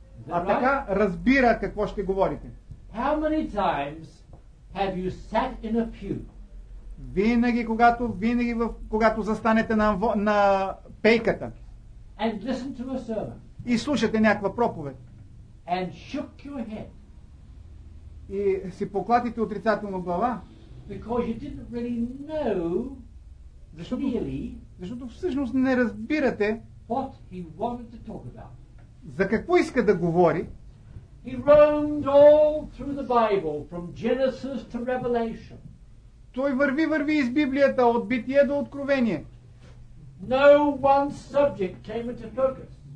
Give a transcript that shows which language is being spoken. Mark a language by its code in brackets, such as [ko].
[bg] А така разбира какво ще говорите. [en] How many times have you sat in a pew? [bg] Винаги когато застанете на пейката [en] and listen to a sermon, [bg] и слушате някаква проповед [en] and shook your head, [bg] и си поклатите отрицателно глава, [en] because you didn't really know, [bg] защото всъщност не разбирате [en] what he wanted to talk about. [bg] За какво иска да говори. [en] He roamed all through the Bible from Genesis to Revelation. [bg] Той върви из Библията от Битие до Откровение. [en] No one subject came into focus.